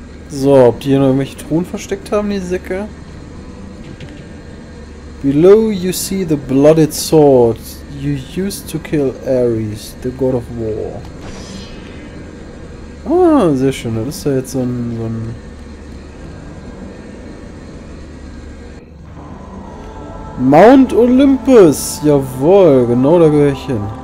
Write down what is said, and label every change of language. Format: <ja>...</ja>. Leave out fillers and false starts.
<de>So, ob die hier noch irgendwelche Truhen versteckt haben, die Säcke?</de> <en>Below you see the blooded sword you used to kill Ares, the god of war.</en> <de>Ah, sehr schön, das ist ja jetzt so ein... Mount Olympus, jawohl, genau da gehöre ich hin.</de>